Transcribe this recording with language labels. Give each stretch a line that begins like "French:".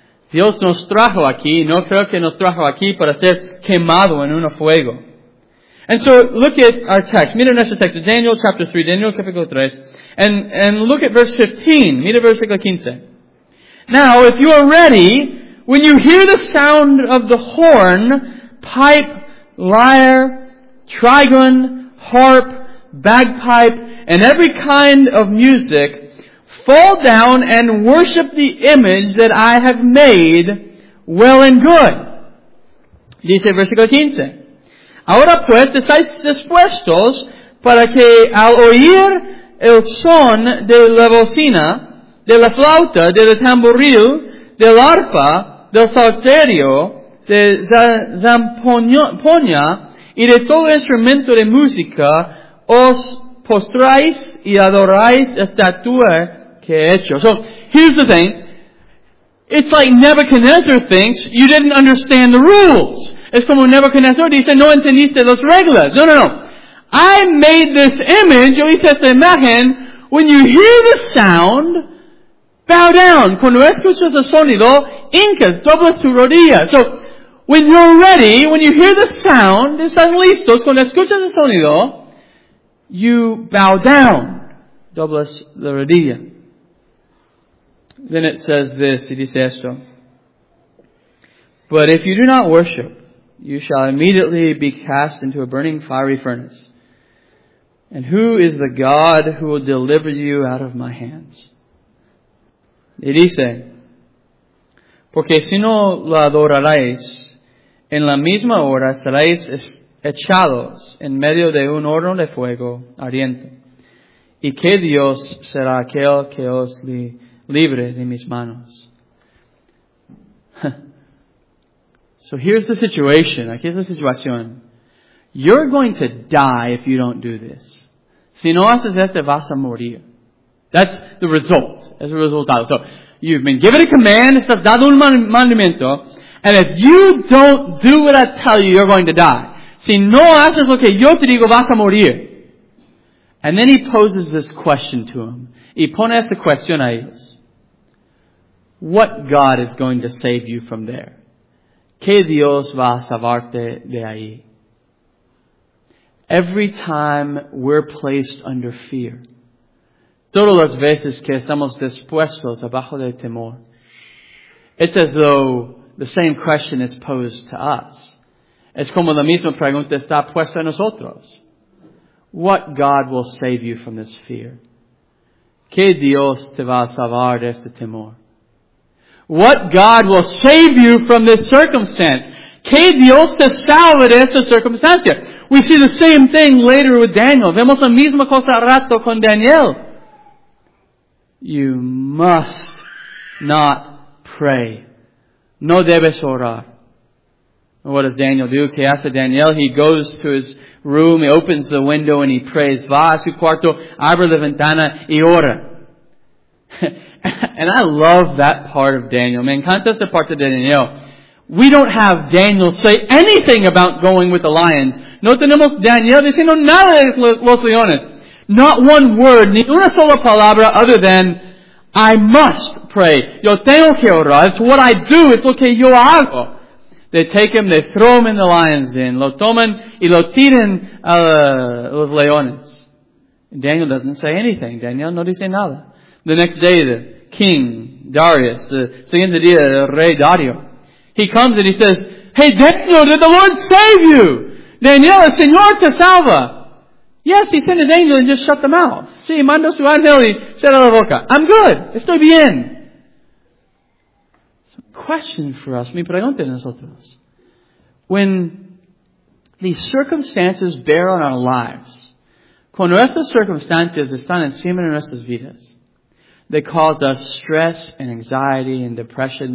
Spanish: Dios nos trajo aquí. No creo que nos trajo aquí para ser quemado en un fuego.
English: And so look at our text.
Spanish: Mira nuestro texto.
English: Daniel chapter 3.
Spanish: Daniel capítulo 3.
English: And look at verse 15.
Spanish: Mira versículo 15.
English: Now, if you are ready, when you hear the sound of the horn, pipe, lyre, trigon, harp, bagpipe, and every kind of music, fall down and worship the image that I have made well and good.
Spanish: Dice versículo 15. Ahora pues, estáis dispuestos para que al oír el son de la bocina, de la flauta, de la tamboril, de la arpa, del salterio, de zampoña, y de todo instrumento de música, os postráis y adoráis estatua que he hecho.
English: So, here's the thing. It's like Nebuchadnezzar thinks you didn't understand the rules.
Spanish: Es como Nebuchadnezzar dice, no entendiste las reglas.
English: No, no, no. I made this image,
Spanish: yo hice esta imagen,
English: when you hear the sound, bow down.
Spanish: Cuando escuchas el sonido, incas, doblas tu rodilla.
English: So, when you're ready, when you hear the sound,
Spanish: estás listo, cuando escuchas el sonido,
English: you bow down.
Spanish: Doblas la rodilla.
English: Then it says this, it dice esto. But if you do not worship, you shall immediately be cast into a burning fiery furnace. And who is the God who will deliver you out of my hands?
Spanish: Y dice, porque si no lo adoraréis, en la misma hora seréis echados en medio de un horno de fuego ardiente. ¿Y qué Dios será aquel que os libre de mis manos?
English: So here's the situation.
Spanish: Aquí es la situación.
English: You're going to die if you don't do this.
Spanish: Si no haces esto, vas a morir.
English: That's the result.
Spanish: Es el resultado. So,
English: You've been given a command, it's
Spanish: dado un mandamiento,
English: and if you don't do what I tell you, you're going to die.
Spanish: Si no haces lo que yo te digo, vas a morir.
English: And then he poses this question to him.
Spanish: Y pone esa cuestión a ellos.
English: What God is going to save you from there?
Spanish: ¿Qué Dios va a salvarte de ahí?
English: Every time we're placed under fear,
Spanish: todas las veces que estamos dispuestos abajo del temor,
English: it's as though the same question is posed to us.
Spanish: Es como la misma pregunta está puesta a nosotros.
English: What God will save you from this fear?
Spanish: ¿Qué Dios te va a salvar de este temor?
English: What God will save you from this circumstance?
Spanish: ¿Qué Dios te salva de esta circunstancia?
English: We see the same thing later with Daniel.
Spanish: Vemos la misma cosa al rato con Daniel.
English: You must not pray.
Spanish: No debes orar.
English: What does Daniel do?
Spanish: ¿Qué hace Daniel?
English: He goes to his room, he opens the window and he prays.
Spanish: Va a su cuarto, abre la ventana y ora.
English: And I love that part of Daniel.
Spanish: Me encanta esa parte de Daniel.
English: We don't have Daniel say anything about going with the lions.
Spanish: No tenemos Daniel diciendo nada de los leones.
English: Not one word,
Spanish: ni una sola palabra
English: other than, I must pray.
Spanish: Yo tengo que orar.
English: It's what I do.
Spanish: It's lo que yo hago.
English: They take him, they throw him in the lion's den.
Spanish: Lo toman y lo tiran a los leones.
English: Daniel doesn't say anything.
Spanish: Daniel no dice nada.
English: The next day, the king, Darius, the
Spanish: siguiente día, el rey Dario,
English: he comes and he says, hey, Daniel, did the Lord save you?
Spanish: Daniel, el Señor te salva.
English: Yes, he sent his angel and just shut the mouth.
Spanish: Sí, mandó su ángel y cerró la boca.
English: I'm good.
Spanish: Estoy bien.
English: Some question for us.
Spanish: Mi pregunta a nosotros.
English: When these circumstances bear on our lives,
Spanish: cuando estas circunstancias están encima de nuestras vidas,
English: they cause us stress and anxiety and depression.